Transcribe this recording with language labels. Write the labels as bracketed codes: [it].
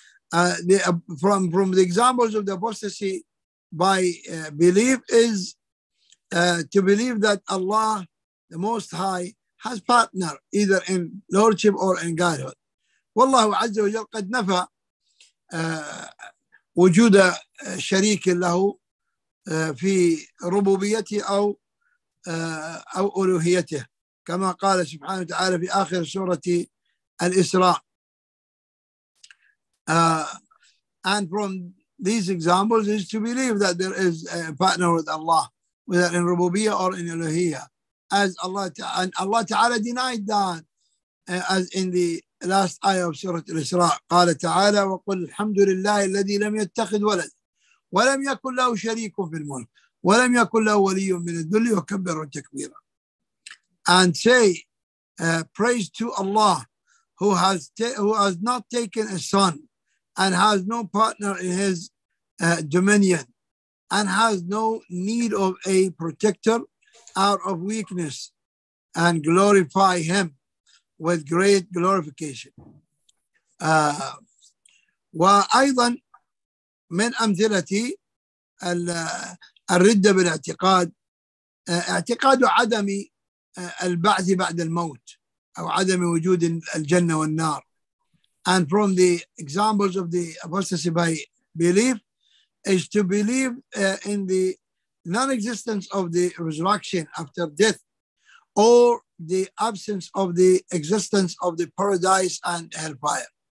[en] From the examples of the apostasy by belief is to believe that Allah the Most High has partner either in lordship or in godhood. [ar] والله عز وجل قد نفى وجود شريك له في ربوبيته أو ألوهيته كما قال سبحانه وتعالى في آخر سورة الإسراء. [en] And from these examples is to believe that there is a partner with Allah, whether in ربوبية or in ألوهية. As Allah and Allah Ta'ala denied that as in the last ayah of Surah Al-Isra, [ar] قال تعالى وقل الحمد لله الذي لم يتخذ ولد ولم يكن له شريك في الملك ولم يكن له ولي من الذل وكبر تكبيرا. [en] And say praise to Allah who has not taken a son and has no partner in his dominion and has no need of a protector out of weakness, and glorify him with great glorification. [ar] وأيضا من أمثلة الردة بالاعتقاد اعتقاد عدم البعث بعد الموت أو عدم وجود الجنة والنار. [en] And from the examples of the apostasy by belief is to believe in the non-existence of the resurrection after death or the absence of the existence of the paradise and hellfire.